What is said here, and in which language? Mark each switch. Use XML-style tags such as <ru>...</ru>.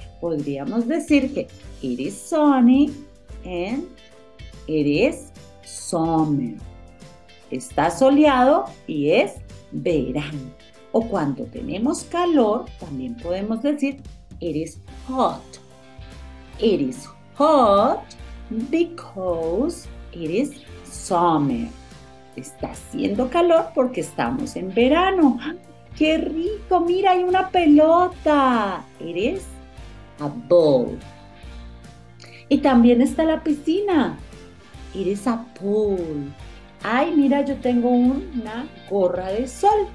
<es>Podríamos decir que</es> <en>it is sunny and it is summer.</en> <es>Está soleado y es verano. O cuando tenemos calor, también podemos decir</es> <en>it is hot. It is hot because it is summer.</en> <es>Está haciendo calor porque estamos en verano. ¡Qué rico! ¡Mira, hay una pelota!</es> <en>It is a ball.</en> <es>Y también está la piscina.</es> <en>It is a pool.</en> <es>¡Ay, mira, yo tengo una gorra de sol!</es>